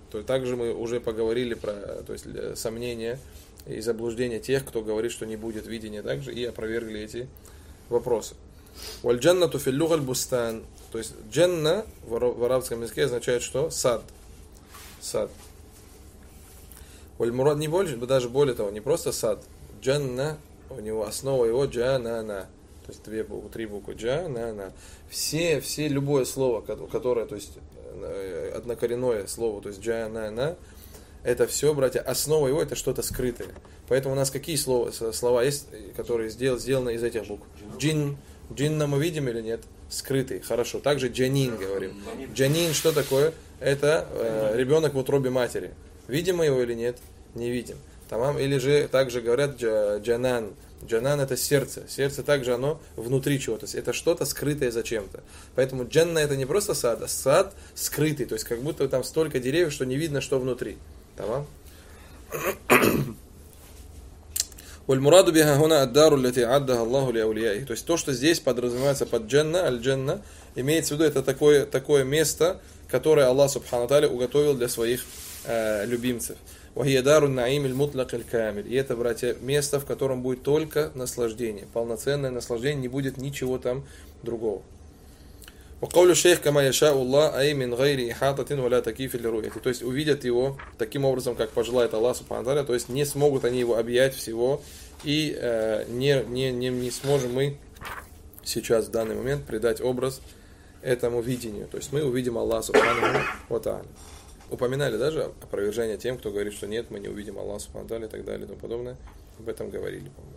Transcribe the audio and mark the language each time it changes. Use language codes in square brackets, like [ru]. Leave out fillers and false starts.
[ru] То есть также мы уже поговорили про, то есть сомнения и заблуждения тех, кто говорит, что не будет видения, также и опровергли эти вопросы. [ar] والجنة في اللغة البستان. [ru] То есть дженна в арабском языке означает что? Сад. Сад. والمراد не больше, даже более того, не просто сад. Дженна, у него основа его джанана. То есть две буквы, три буквы джанана. Все любое слово, которое, то есть однокоренное слово, то есть джанана, это все, братья, основа его это что-то скрытое. Поэтому у нас какие слова есть, которые сделаны из этих букв? Джин. Джинна мы видим или нет? Скрытый. Хорошо. Также джанин говорим. Джанин что такое? Это ребенок в утробе матери. Видим мы его или нет? Не видим. Тамам. Или же также говорят джанан. Джанан это сердце. Сердце также оно внутри чего-то. Это что-то скрытое зачем-то. Поэтому джанна это не просто сад, а сад скрытый. То есть как будто там столько деревьев, что не видно, что внутри. [ar] Тамам. والمراد بها هنا الدار التي عدها الله لأوليائه. [ru] То есть то, что здесь подразумевается под джанна, аль-джанна, имеется в виду это такое место, которое Аллах Субхану Тааля уготовил для своих любимцев. [ar] وهي دار النعيم المطلق الكامل. [ru] И это, братья, место, в котором будет только наслаждение, полноценное наслаждение, не будет ничего там другого. [ar] وقول الشيخ كما يشاء الله أي من غير إحاطة ولا تكييف لرؤيته. [ru] То есть увидят его таким образом, как пожелает Аллах Субхану Тааля. То есть не смогут они его объять всего и не сможем мы сейчас в данный момент придать образ этому видению. То есть мы увидим Аллаха Субхану Тааля. Упоминали даже опровержение тем, кто говорит, что нет, мы не увидим Аллаха Субхану Тааля и так далее и тому подобное. Об этом говорили.